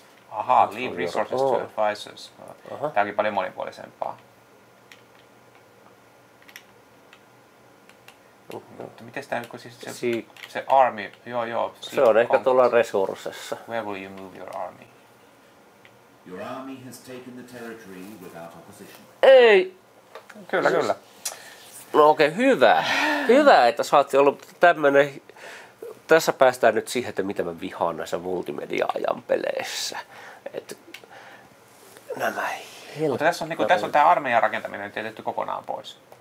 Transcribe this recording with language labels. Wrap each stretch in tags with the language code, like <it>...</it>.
<en>Ahaa, leave resources to advisors.</en> <fi>Tämä onkin paljon monipuolisempaa. Mutta mites tämä nyt, kun siis se army, joo. Se on ehkä tuolla resurssissa.</fi> <en>Where will you move your army? Your army has taken the territory without opposition.</en> <fi>Ei! Kyllä. No okei, hyvä. Hyvä, että saatiin ollut tämmönen... Tässä päästään nyt siihen, että mitä mä vihaan näissä multimedia-ajan peleissä. Nämä helppoja. Mutta tässä on tämä armeijan rakentaminen tietetty kokonaan pois.</fi>